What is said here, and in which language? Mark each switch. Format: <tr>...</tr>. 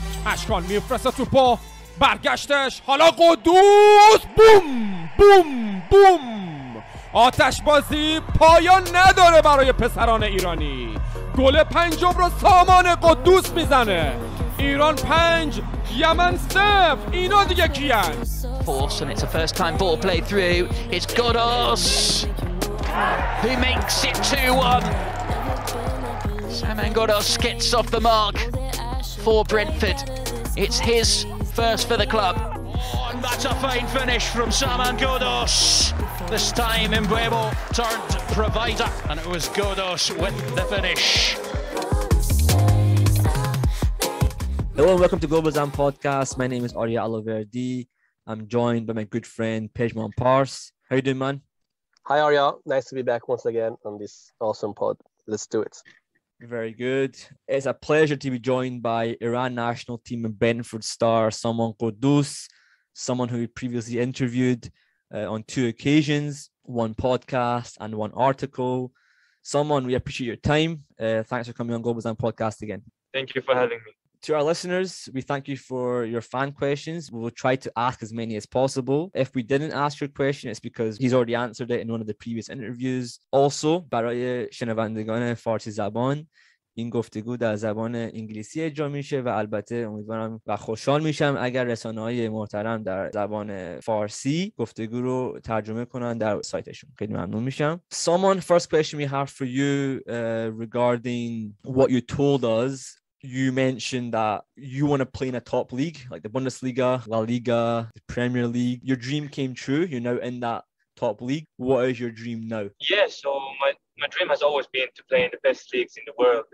<fa>اشکان میفرسته توپا برگشتش حالا قدوس بوم بوم بوم آتش بازی پایان نداره برای پسران ایرانی گل پنجم رو سامان قدوس میزنه ایران 5 یمن 0 اینا دیگه کیان</fa> <en>فورسن it's a first time ball play through it's Ghoddos he makes it 2-1 Saman Ghoddos gets off the mark for Brentford it's his First for the club. Oh, and that's a fine finish from Saman Ghoddos. This time in Bremo turned provider. And it was Ghoddos with the finish. Hello and welcome to Gol Bezan Podcast. My name is Arya Aloverdi. I'm joined by my good friend Pejman Pars. How you doing, man? Hi Arya. Nice to be back once again on this awesome pod. Let's do it. Very good. It's a pleasure to be joined by Iran national team and Brentford star Saman Ghoddos, someone who we previously interviewed on two occasions, one podcast and one article. Saman, we appreciate your time. Thanks for coming on Gol Bezan podcast again. Thank you for having me. To our listeners, we thank you for your fan questions. We will try to ask as many as possible. If we didn't ask your question, it's because he's already answered it in one of the previous interviews. Also,</en> <fa>برای شنوندگان فارسی زبان این گفتگو در زبان انگلیسی اجرا میشه و البته امیدوارم و خوشحال میشم اگر رسانه‌های محترم در زبان فارسی گفتگو رو ترجمه کنن در سایتشون خیلی ممنون میشم.</fa> <en>Someone, first question we have for you regarding what you told us. You mentioned that you want to play in a top league, like the Bundesliga, La Liga, the Premier League. Your dream came true. You're now in that top league. What is your dream now? Yeah, so my dream has always been to play in the best leagues in the world.</en>